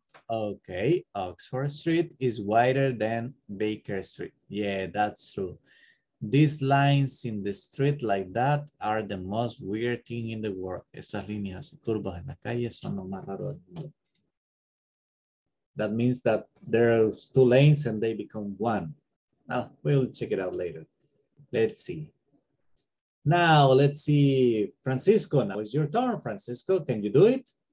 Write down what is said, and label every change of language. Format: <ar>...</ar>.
<en>Okay, Oxford Street is wider than Baker Street. Yeah, that's true. These lines in the street like that are the most weird thing in the world.</en> <es>Esas líneas curvas en la calle son lo más raro del mundo.</es> <en>That means that there's two lanes and they become one. Now, we'll check it out later. Let's see. Now, let's see, Francisco, now it's your turn, Francisco. Can you do it?</en>